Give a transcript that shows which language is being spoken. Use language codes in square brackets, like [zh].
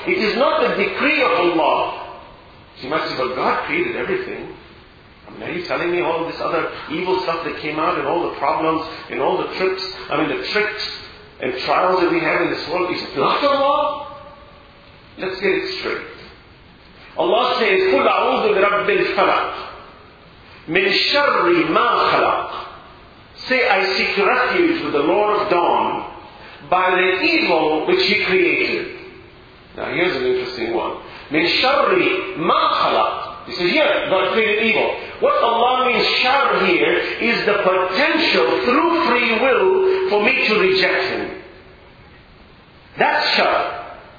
[en] It is not the decree of Allah. So you might say, but God created everything. I mean, are you telling me all this other evil stuff that came out and all the problems and all the trips, I mean the tricks and trials that we have in this world, is it not Allah? Let's get it straight. Allah says, [ar] قُلْ أَعُوذُ بِرَبِّ الْفَلَقِ مِنْ شَرِّ مَا خَلَقَ. [en] Say, I seek refuge with the Lord of Dawn by the evil which He created. Now here's an interesting one. [ar] مِنْ شَرِّ مَا خَلَقْ. [en] He says, yeah, God created evil. What Allah means shar here is the potential through free will for me to reject Him. That's shar.